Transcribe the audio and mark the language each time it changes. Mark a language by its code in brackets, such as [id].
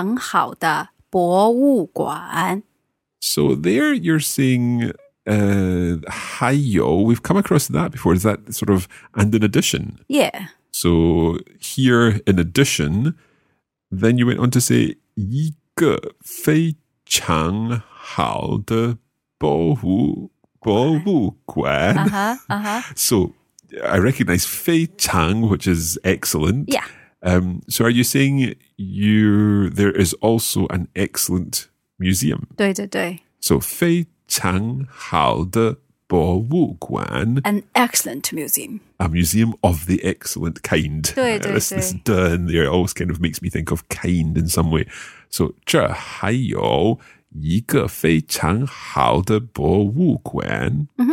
[zh] 这还有一个非常好的博物馆。 [en] So there you're saying, [zh] 还有, [en] we've come across that before, is that sort of, and in addition? Yeah. So here, in addition, then you went on to say, [zh] 一个非常好的博物馆. [en] So I recognize 非常, which is excellent. Yeah. So are you saying there is also an excellent museum? [zh] 对对对. So, 非常好的博物馆. [en] An excellent museum. A museum of the excellent kind. [zh] 对对对. [en] This duh in there always kind of makes me think of kind in some way. [zh] So, 这还有一个非常好的博物馆.